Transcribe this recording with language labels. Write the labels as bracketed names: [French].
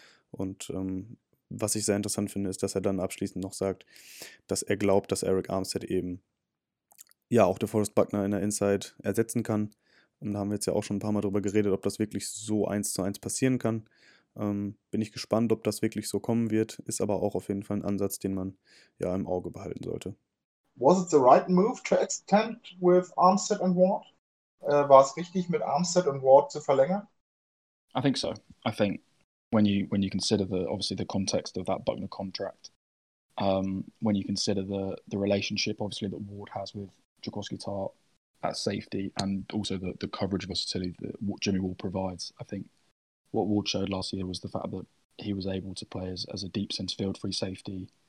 [German] Und was ich sehr interessant finde, ist, dass er dann abschließend noch sagt, dass er glaubt, dass Arik Armstead eben ja auch DeForest Buckner in der Inside ersetzen kann. Und da haben wir jetzt ja auch schon ein paar Mal drüber geredet, ob das wirklich so 1:1 passieren kann. Bin ich gespannt, ob das wirklich so kommen wird. Ist aber auch auf jeden Fall ein Ansatz, den man ja im Auge behalten sollte. [English] Was it the right move to extend with Armstead and Ward? [German] War es richtig, mit Armstead und Ward zu verlängern? [English] I think so. I think when you consider the context of that Buckner contract, when you consider the relationship obviously that Ward has with Jokorski Tartt at safety, and also the coverage versatility that Jimmy Ward provides, I think what Ward showed last year was the fact that he was able to play as a deep center field free safety.